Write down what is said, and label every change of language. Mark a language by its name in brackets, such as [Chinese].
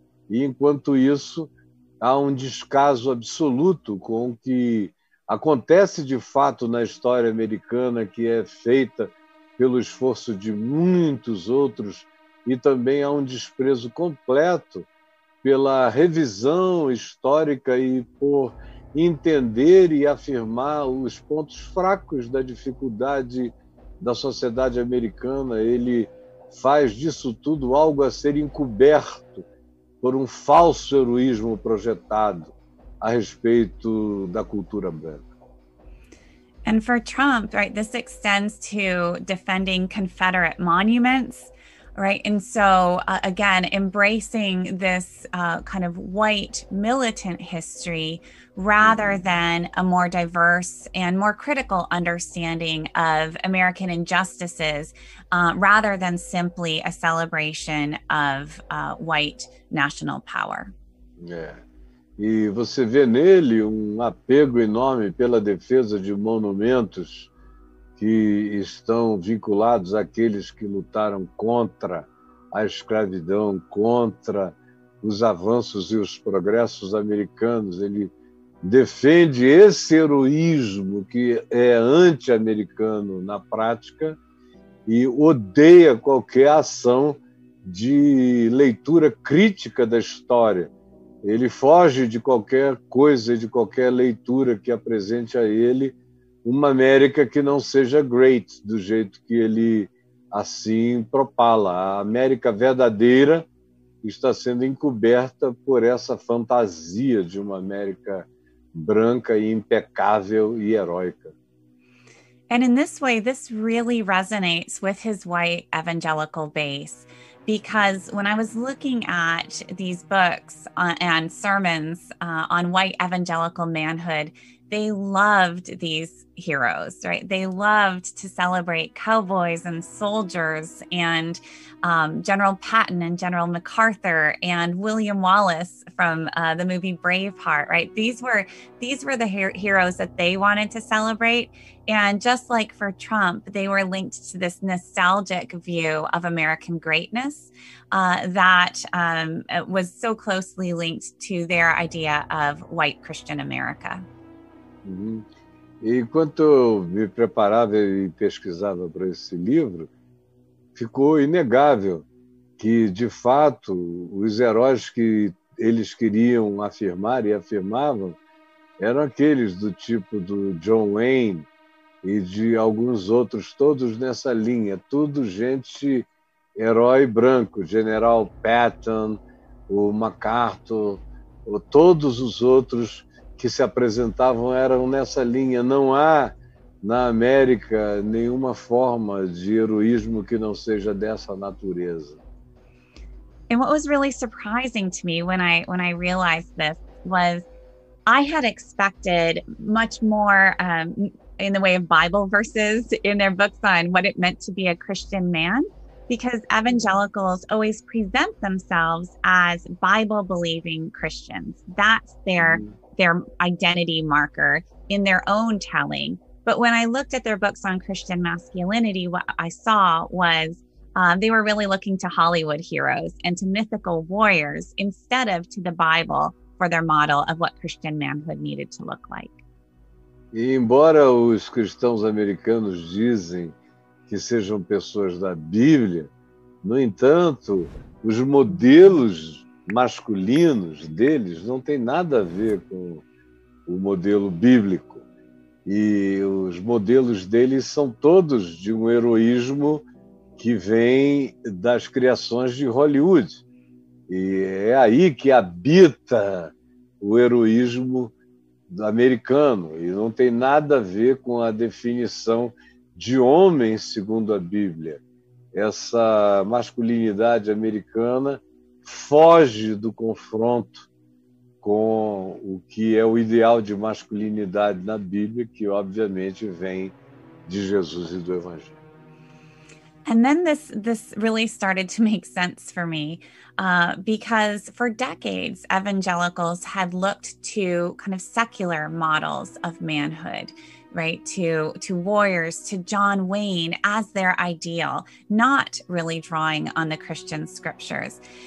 [Portuguese] E, enquanto isso, há um descaso absoluto com o que acontece de fato na história americana, que é feita pelo esforço de muitos outros, e também há um desprezo completo pela revisão histórica e por entender e afirmar os pontos fracos da dificuldade da sociedade americana. Ele faz disso tudo algo a ser encoberto por falso heroísmo projetado a respeito da cultura branca. [English] And for Trump, right, this extends to defending Confederate monuments, right? And so, again, embracing this kind of white militant history rather than a more diverse and more critical understanding of American injustices, rather than simply a celebration of white national power. [Portuguese] É. E você vê nele apego enorme pela defesa de monumentos que estão vinculados àqueles que lutaram contra a escravidão, contra os avanços e os progressos americanos. Ele defende esse heroísmo que é anti-americano na prática e odeia qualquer ação de leitura crítica da história. Ele foge de qualquer coisa, de qualquer leitura que apresente a ele uma América que não seja great, do jeito que ele assim propala. A América verdadeira está sendo encoberta por essa fantasia de uma América branca e impecável e heróica. [English] And in this way, this really resonates with his white evangelical base. Because when I was looking at these books and sermons on white evangelical manhood, they loved these heroes, right? They loved to celebrate cowboys and soldiers and General Patton and General MacArthur and William Wallace from the movie Braveheart, right? These were the heroes that they wanted to celebrate. And just like for Trump, they were linked to this nostalgic view of American greatness that was so closely linked to their idea of white Christian America. Uhum. [Portuguese] E enquanto eu me preparava e pesquisava para esse livro, ficou inegável que, de fato, os heróis que eles queriam afirmar e afirmavam eram aqueles do tipo do John Wayne e de alguns outros, todos nessa linha, tudo gente herói branco, General Patton, o MacArthur, ou todos os outros que se apresentavam eram nessa linha. Não há na América nenhuma forma de heroísmo que não seja dessa natureza. [English] And what was really surprising to me when I realized this was I had expected much more in the way of Bible verses in their books on what it meant to be a Christian man, because evangelicals always present themselves as Bible believing Christians. That's their identity marker in their own telling. But when I looked at their books on Christian masculinity, what I saw was they were really looking to Hollywood heroes and to mythical warriors instead of to the Bible for their model of what Christian manhood needed to look like. [Portuguese] E embora os cristãos americanos dizem que sejam pessoas da Bíblia, no entanto, os modelos masculinos deles não tem nada a ver com o modelo bíblico. E os modelos deles são todos de um heroísmo que vem das criações de Hollywood. E é aí que habita o heroísmo americano. E não tem nada a ver com a definição de homem segundo a Bíblia. Essa masculinidade americana foge do confronto com o que é o ideal de masculinidade na Bíblia, que obviamente vem de Jesus e do Evangelho. [English] And then this really started to make sense for me, because for decades, evangelicals had looked to kind of secular models of manhood, right? To warriors, to John Wayne as their ideal, not really drawing on the Christian scriptures.